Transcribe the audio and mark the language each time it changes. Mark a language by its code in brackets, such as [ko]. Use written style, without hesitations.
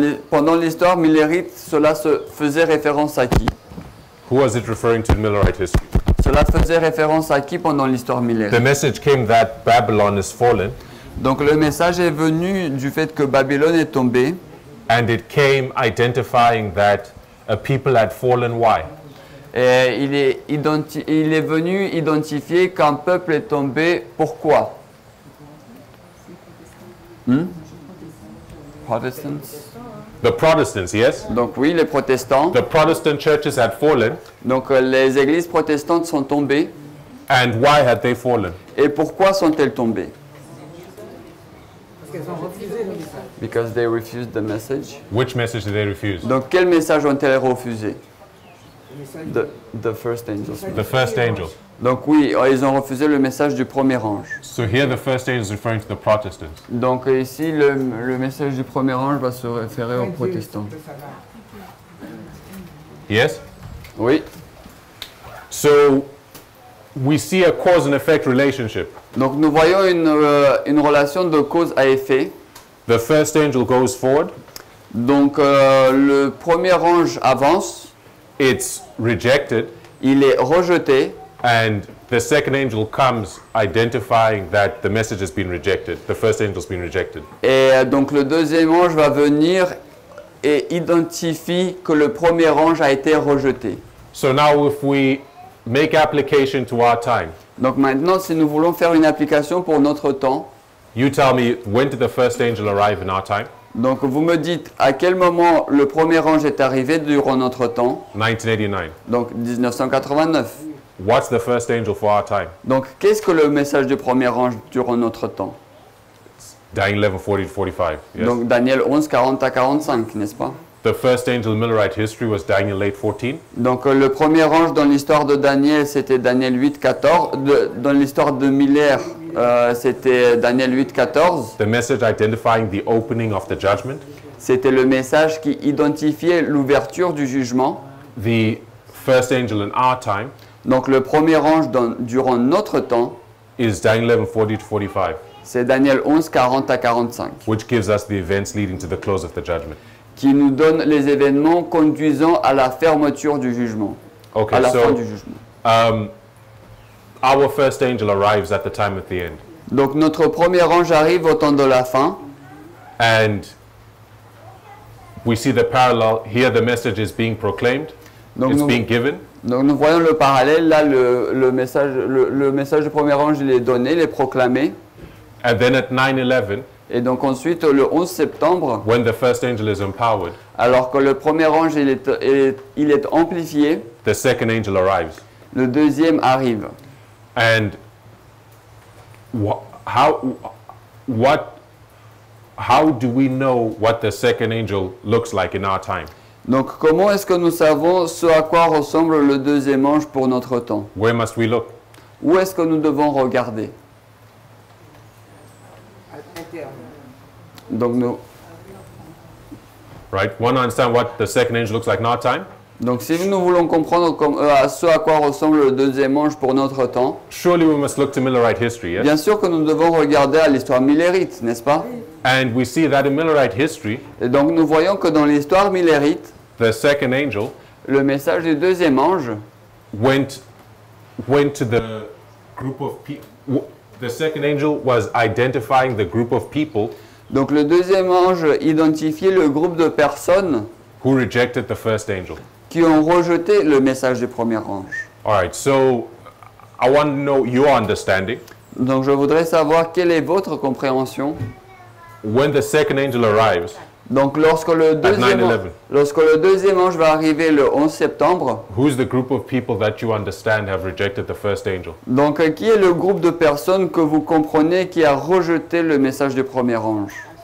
[fr] Pendant l'histoire millérite, cela se faisait référence à qui? [en] Who was it referring to in Millerite history? [fr] Cela faisait référence à qui pendant l'histoire millérite? [en] The message came that Babylon is fallen. [fr] Donc le message est venu du fait que Babylone est tombée. [en] And it came identifying that a people had fallen. Why? [fr] Et il est venu identifier qu'un peuple est tombé. Pourquoi? [en] Protestants. The Protestants, yes. [fr] Donc oui, les protestants. [en] The Protestant churches had fallen. [fr] Donc les églises protestantes sont tombées. [en] And why had they fallen? [fr] Et pourquoi sont-elles tombées? [en] Because they refused the message. Which message did they refuse? [fr] Donc quel message ont-elles refusé? [en] The first angel. The first angel. [fr] Donc oui, ils ont refusé le message du premier ange. [en] So here the first angel is referring to the Protestants. [fr] Donc ici le message du premier ange va se référer aux protestants. [en] Yes? [fr] Oui. [en] So we see a cause and effect relationship. [fr] Donc nous voyons une relation de cause à effet. [en] The first angel goes forward. [fr] Donc le premier ange avance. [en] It's rejected. [fr] Il est rejeté. [en] And the second angel comes identifying that the message has been rejected. The first angel has been rejected. [fr] Et donc le deuxième ange va venir et identifie que le premier ange a été rejeté. [en] So now if we make application to our time. [fr] Donc maintenant si nous voulons faire une application pour notre temps. [en] You tell me, when did the first angel arrive in our time? [fr] Donc vous me dites à quel moment le premier ange est arrivé durant notre temps. [en] 1989. [fr] Donc 1989. [en] What's the first angel for our time? [fr] Donc qu'est-ce que le message du premier ange durant notre temps? [en] Daniel 11, 40 to 45. Yes. [fr] Donc Daniel 11, 40 à 45, n'est-ce pas? [en] The first angel in Millerite history was Daniel 8, 14. [fr] Donc le premier ange dans l'histoire de Daniel, c'était Daniel 8, 14. Dans l'histoire de Miller, c'était Daniel 8, 14. [en] The message identifying the opening of the judgment. [fr] C'était le message qui identifiait l'ouverture du jugement. [en] The first angel in our time. [fr] Donc le premier ange durant notre temps. [en] Is Daniel 11, 40 to 45. [fr] C'est Daniel 11, 40 à 45. [en] Which gives us the events leading to the close of the judgment. [fr] Qui nous donne les événements conduisant à la fermeture du jugement. [en] Okay, [fr] à la [en] so, [fr] fin du jugement. [en] Our first angel arrives at the time of the end. [fr] Donc notre premier ange arrive au temps de la fin. [en] And we see the parallel. Here the message is being proclaimed. [fr] Donc [en] it's being given. [fr] Donc nous voyons le parallèle. Là, le message du premier ange, il est donné, il est proclamé. [en] And then at 9/11, [fr] et donc ensuite le 11 septembre, [en] when the first angel is empowered, [fr] alors que le premier ange il est amplifié, [en] the second angel arrives. [fr] Le deuxième arrive. [en] And how do we know what the second angel looks like in our time? [fr] Donc comment est-ce que nous savons ce à quoi ressemble le deuxième ange pour notre temps? [en] Where must we look? [fr] Où est-ce que nous devons regarder? Donc nous. [en] Right. Want to understand what the second angel looks like in our time? [fr] Donc si nous voulons comprendre ce à quoi ressemble le deuxième ange pour notre temps. [en] Surely we must look to Millerite history. Yes. [fr] Bien sûr que nous devons regarder à l'histoire millérite, n'est-ce pas? [en] And we see that in Millerite history. [fr] Et donc nous voyons que dans l'histoire millérite. [en] The second angel. [fr] Le message du deuxième ange. [en] Went to the group of people. The second angel was identifying the group of people. [fr] Donc le deuxième ange identifiait le groupe de personnes [en] who rejected the first angel. [fr] Qui ont rejeté le message du premier ange. [en] All right, so I want to know your understanding. [fr] Donc je voudrais savoir quelle est votre compréhension. [en] When the second angel arrives. [fr] Donc lorsque le deuxième ange va arriver le 11 septembre. [en] Who's the group of people that you understand have rejected the first angel? [fr] Donc qui est le groupe de personnes que vous comprenez qui a rejeté le message du premier ange?